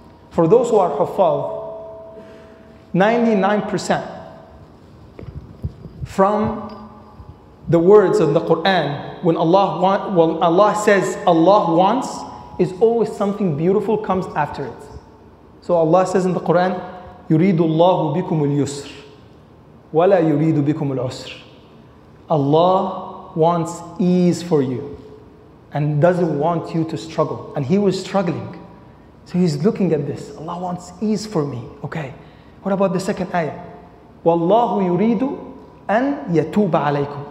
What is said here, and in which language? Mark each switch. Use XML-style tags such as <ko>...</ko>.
<en>For those who are hafal, 99% from the words of the Quran, when Allah says Allah wants, is always something beautiful comes after it.</en> <ar>So Allah says in the Quran, يُرِيدُ اللَّهُ بِكُمُ الْيُسْرِ وَلَا يُرِيدُ بِكُمُ الْعُسْرِ.</ar> <en>Allah wants ease for you and doesn't want you to struggle. And He was struggling. So he's looking at this. Allah wants ease for me. Okay. What about the second ayah?</en> <ar>وَاللَّهُ يُرِيدُ أَن يَتُوبَ عَلَيْكُمْ.</ar>